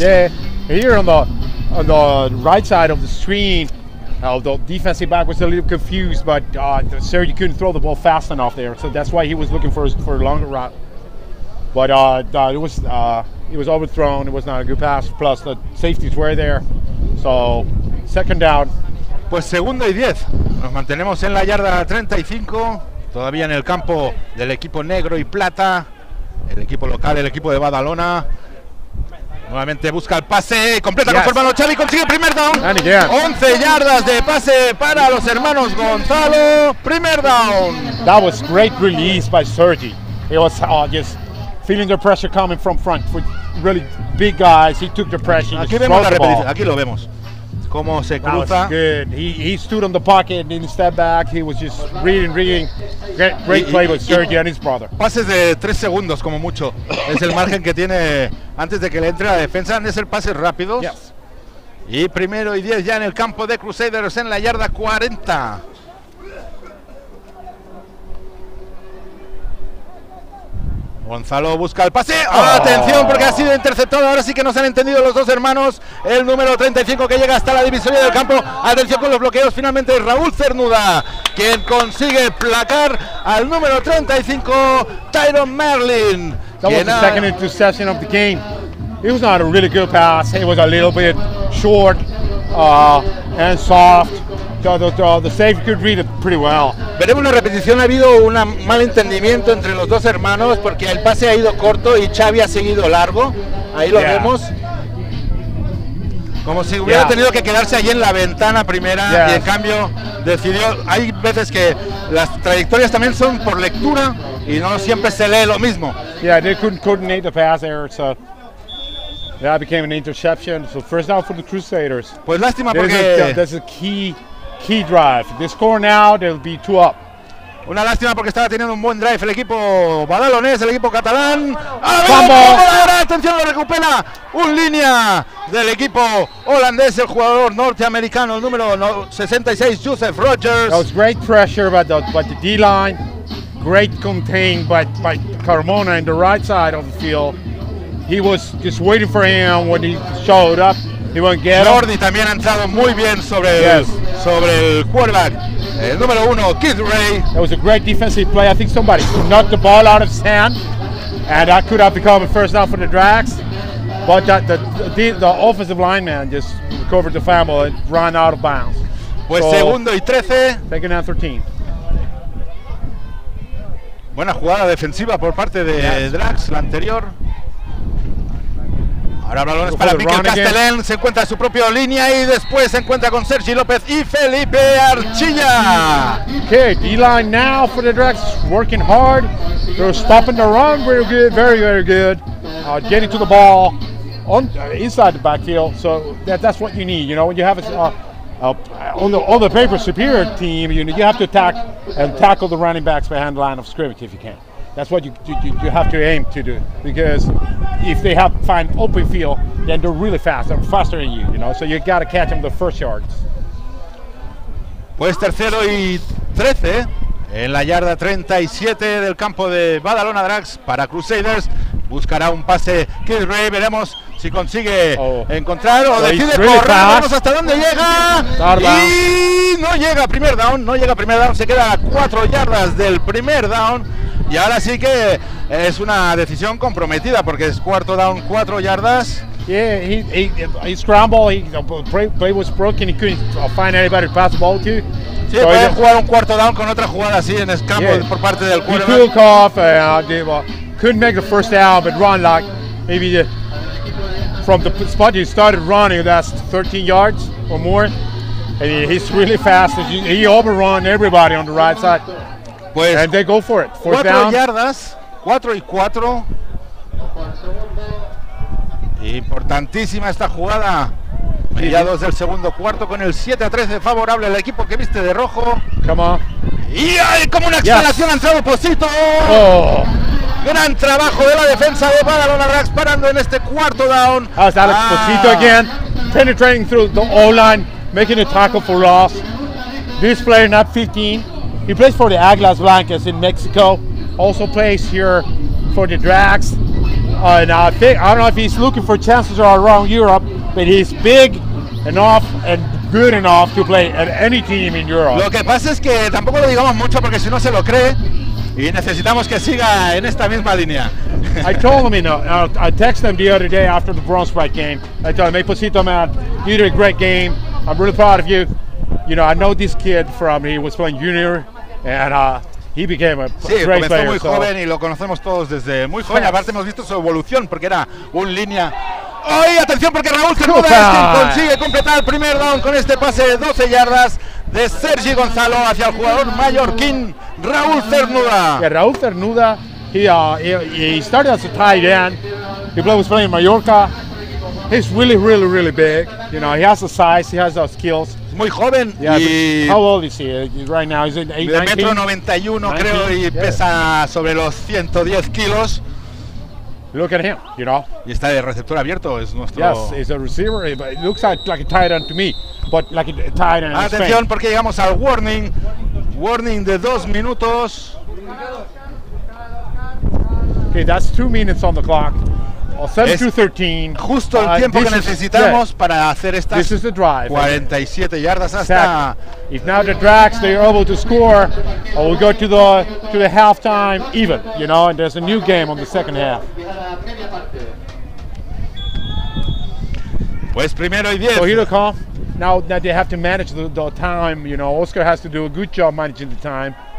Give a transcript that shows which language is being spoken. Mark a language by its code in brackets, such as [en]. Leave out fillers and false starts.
[en] Yeah, here on the right side of the screen, the defensive back was a little confused, but Sergio couldn't throw the ball fast enough there, so that's why he was looking for a longer route. But it was overthrown. It was not a good pass. Plus the safeties were there, so second down. [es] Pues segundo y 10. Nos mantenemos en la yarda 35. Todavía en el campo del equipo negro y plata, el equipo local, el equipo de Badalona. Nuevamente busca el pase, completa con su hermano Xavi, consigue el primer down. 11 yardas de pase para los hermanos Gonzalo, primer down. [en] That was great release by Sergi. It was just feeling the pressure coming from front. For really big guys, he took the pressure. [es] Aquí vemos la repetición, aquí lo vemos. Cómo se cruza. [en] Good. He stood on the pocket and didn't step back. He was just reading. Great play with Sergio and his brother. [es] Pases de 3 segundos como mucho. Es el margen que tiene antes de que le entre la defensa. Han de ser pases rápidos. [en] Yes. [es] Y primero y 10 ya en el campo de Crusaders en la yarda 40. Gonzalo busca el pase. ¡Oh, atención! Porque ha sido interceptado. Ahora sí que nos han entendido los dos hermanos. El número 35 que llega hasta la divisoria del campo. Atención con los bloqueos. Finalmente Raúl Cernuda, quien consigue placar al número 35, Tyron Merlin. [en] That was the second interception of the game. It was not a really good pass. It was a little bit short and soft. The safety could read it pretty well. [es] Veremos una repetición. Ha habido un mal entendimiento entre los dos hermanos porque el pase ha ido corto y Xavi ha seguido largo. Ahí lo vemos. Como si hubiera tenido que quedarse allí en la ventana primera y en cambio decidió. Hay veces que las trayectorias también son por lectura y no siempre se lee lo mismo. [en] Yeah, they couldn't coordinate the pass there, so that became an interception. So first down for the Crusaders. [es] Pues lástima porque [en] that's a key drive. They score now, they'll be two up. [es] Una lástima porque estaba teniendo un buen drive el equipo badalonés, el equipo catalán. Atención, lo recupera un línea del equipo holandés, el jugador norteamericano, el número 66, Joseph Rogers. [en] That was great pressure by the D-line. Great contain by Carmona in the right side of the field. He was just waiting for him when he showed up. He won't get it. [es] Jordi también ha entrado muy bien sobre sobre el quarterback. El número uno, Keith Ray. [en] That was a great defensive play. I think somebody knocked the ball out of his hand. And that could have become a first down for the Drags. But the offensive lineman just recovered the fumble and ran out of bounds. [es] Pues so, segundo y 13. [en] Second down 13. [es] Buena jugada defensiva por parte de Drags, la anterior. Ahora balones para Miquel Castellán, se encuentra su propia línea y después se encuentra con Sergi López y Felipe Archilla. [en] Okay, D-line now for the Drax, working hard. They're stopping the run very good, very, very good. Getting to the ball on inside the backfield, so that's what you need. You know, when you have on the paper superior team, you have to attack and tackle the running backs behind the line of scrimmage if you can. That's what you have to aim to do, because if they have find open field, then they're really fast. They're faster than you, you know. So you got to catch them the first yards. [es] Pues tercero y 13 en la yarda 37 del campo de Badalona Drax para Crusaders. Buscará un pase Kid Ray. Veremos si consigue encontrar o decide [en] really [es] correr. [en] Fast. [es] Vamos hasta dónde llega. Tarda. Y no llega primer down. No llega primer down. Se queda a 4 yardas del primer down. Y ahora sí que es una decisión comprometida porque es cuarto down, 4 yardas. [en] Yeah, he scrambled, play was broken, he couldn't find anybody to pass the ball to. [es] Sí, so puede jugar un cuarto down con otra jugada así en escampo por parte del quarterback. [en] He took off, couldn't make the first down, but run like maybe from the spot he started running, that's 13 yards or more. And he's really fast, he overrun everybody on the right side. [es] Pues, [en] and they go for it. Fourth [es] cuatro down. Yardas, 4 y 4. Importantísima esta jugada. Mediados del segundo cuarto con el 7-13 favorable al equipo que viste de rojo. [en] Come on. [es] Y ay, como una exhalación ha entrado Pocito. Oh. Gran trabajo de la defensa de Badalona Drax parando en este cuarto down. [en] That's Alex Pocito again, penetrating through the O-line, making a tackle for loss. This player not 15. He plays for the Aguilas Blancas in Mexico. Also plays here for the Drax. And I don't know if he's looking for chances around Europe, but he's big enough and good enough to play at any team in Europe. [es] Lo que pasa es que tampoco lo digamos mucho porque si no se lo cree y necesitamos que siga en esta misma línea. [en] I told him, I texted him the other day after the Bronze Bright game. I told him, hey, Pocito, man, you did a great game. I'm really proud of you. You know, I know this kid from, he was playing junior, and he became a great player. [es] Sí, comenzó muy joven y lo conocemos todos desde muy joven. Aparte hemos visto su evolución porque era un línea. ¡Ay, atención! Porque Raúl se mueve, consigue completar el primer down con este pase de 12 yardas de Sergi Gonzalo hacia el jugador mallorquín Raúl Cernuda. [en] Yeah, Raúl Cernuda, he started as a tight end. He was playing Mallorca. He's really, really, really big. You know, he has the size, he has the skills. [es] Muy joven. [en] How old is he right now? Is it 8'19"? [es] 1.91 creo, y pesa sobre los 110 kilos. [en] Look at him, you know. [es] Y está de receptor abierto, es nuestro. [en] Yes, he's a receiver, but it looks like a tight end to me, but like a tight end. [es] Atención, porque llegamos al warning. Warning de 2 minutos. [en] Okay, that's 2 minutes on the clock. 7-13. [es] Justo el tiempo que necesitamos para hacer estas 47 yardas hasta. [en] If now the Drax they're able to score, or we go to the halftime even, you know, and there's a new game on the second half. [es] Pues primero y 10. [en] So here they come. Now that they have to manage the time, you know, Oscar has to do a good job managing the time.